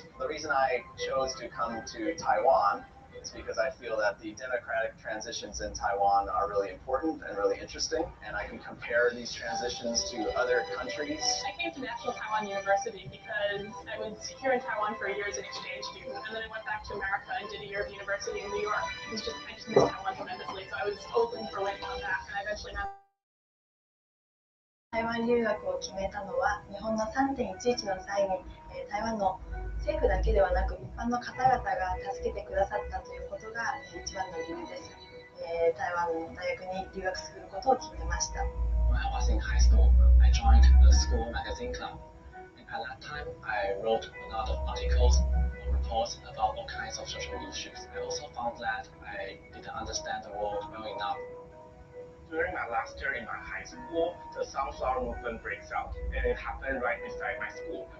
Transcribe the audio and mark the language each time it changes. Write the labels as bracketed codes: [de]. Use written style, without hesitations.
[en] The reason I chose to come to Taiwan is because I feel that the democratic transitions in Taiwan are really important and really interesting, and I can compare these transitions to other countries. I came to National Taiwan University because I was here in Taiwan for a year as an exchange student, and then I went back to America and did a year of university in New York. I just missed Taiwan tremendously, so I was open for life on that, and I eventually met [ja] 台湾留学を決めたのは日本の 3.11 の際に台湾の政府だけではなく一般の方々が助けてくださったということが一番の理由です。台湾の大学に留学することを決めました。 [en] When I was in high school, I joined the school magazine club. And at that time, I wrote a lot of articles or reports about all kinds of social issues. I also found that I didn't understand the world well enough. During my last year in my high school, the Sunflower Movement breaks out, and it happened right beside my school.